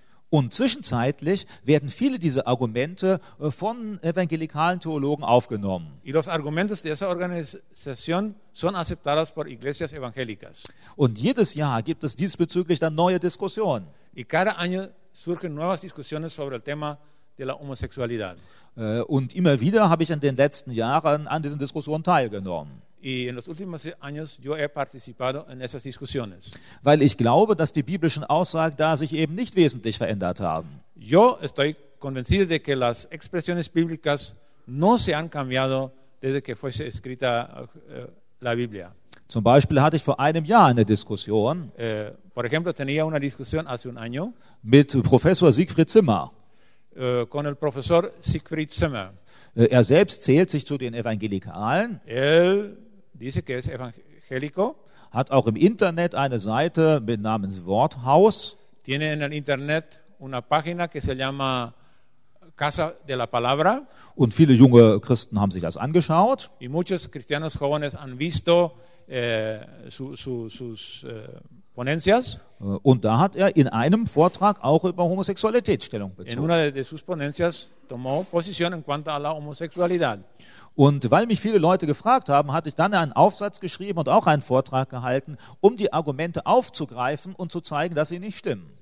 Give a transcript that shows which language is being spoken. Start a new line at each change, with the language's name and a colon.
German: Und zwischenzeitlich werden viele dieser Argumente von evangelikalen Theologen aufgenommen.
Spanish: Y los argumentos de esa organización son aceptados por iglesias evangélicas.
German: Und jedes Jahr gibt es diesbezüglich dann neue Diskussionen.
Spanish: Y cada año surgen nuevas discusiones sobre el tema de la homosexualidad.
German: Und immer wieder habe ich in den letzten Jahren an diesen Diskussionen teilgenommen.
Spanish: Y en los últimos años yo he participado en esas discusiones.
German: Weil ich glaube, dass die biblischen Aussagen da sich eben nicht wesentlich verändert haben.
Spanish: Yo estoy convencido de que las expresiones bíblicas no se han cambiado desde que fuese escrita la Biblia.
German: Zum Beispiel hatte ich vor einem Jahr eine Diskussion.
Spanish: Por ejemplo, tenía una discusión hace un año.
German: Mit Professor Siegfried Zimmer.
Spanish: Con el profesor Siegfried Zimmer.
German: Er selbst zählt sich zu den Evangelikalen.
Spanish: Él dice que es evangélico.
German: Hat auch im Internet eine Seite mit namens Worthaus.
Spanish: Tiene en el Internet una página que se llama Casa de la Palabra.
German: Und viele junge Christen haben sich das angeschaut.
Spanish: Y muchos cristianos jóvenes han visto sus ponencias.
German: Und da hat er in einem Vortrag auch über Homosexualität Stellung bezogen.
Spanish: En una de sus ponencias tomó posición en cuanto a la homosexualidad.
German: Und weil mich viele Leute gefragt haben, hatte ich dann einen Aufsatz geschrieben und auch einen Vortrag gehalten, um die Argumente aufzugreifen und zu zeigen, dass sie nicht stimmen.